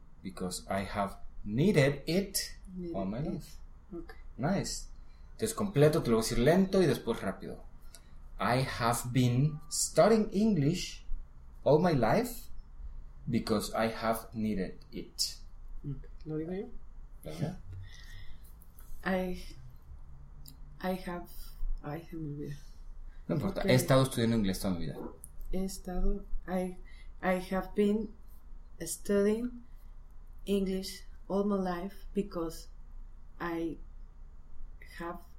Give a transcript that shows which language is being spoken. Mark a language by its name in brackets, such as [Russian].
[English] Because I have needed it all my life. Okay. Nice. [Spanish] Entonces completo, te lo voy a decir lento y después rápido. [English] I have been studying English all my life because I have needed it. [Spanish] ¿Lo digo yo? Ay, se me olvida. No importa, okay. He estado estudiando inglés toda mi vida. [English] I have been studying English all my life because I have